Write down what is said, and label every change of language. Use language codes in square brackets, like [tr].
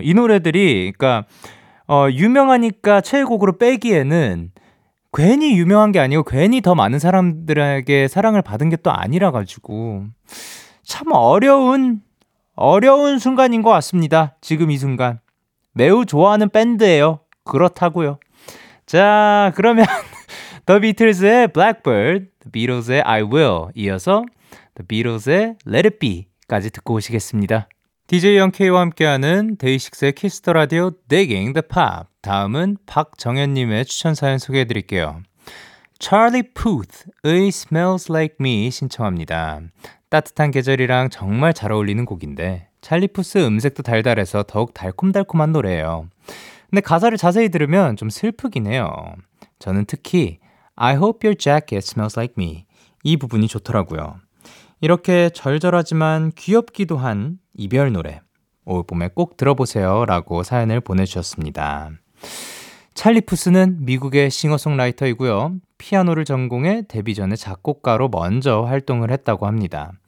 [ko] 이 노래들이 그러니까 유명하니까 최애곡으로 빼기에는 괜히 유명한 게 아니고 괜히 더 많은 사람들에게 사랑을 받은 게 또 아니라 가지고 참 어려운 순간인 것 같습니다. 지금 이 순간 매우 좋아하는 밴드예요. 그렇다고요. 자, 그러면 The Beatles의 Blackbird, The Beatles의 I Will 이어서 The Beatles의 Let It Be까지 듣고 오시겠습니다. DJ 영케이와 함께하는 데이식스의 키스 더 라디오 Digging the Pop. 다음은 박정현님의 추천 사연 소개해드릴게요. Charlie Puth의 Smells Like Me 신청합니다. 따뜻한 계절이랑 정말 잘 어울리는 곡인데 찰리 푸스 음색도 달달해서 더욱 달콤달콤한 노래예요. 근데 가사를 자세히 들으면 좀 슬프긴 해요. 저는 특히 [en] I hope your jacket smells like me [ko] 이 부분이 좋더라고요. 이렇게 절절하지만 귀엽기도 한 이별 노래 올 봄에 꼭 들어보세요 라고 사연을 보내주셨습니다. 찰리 푸스는 미국의 싱어송라이터이고요. 피아노를 전공해 데뷔 전에 작곡가로 먼저 활동을 했다고 합니다.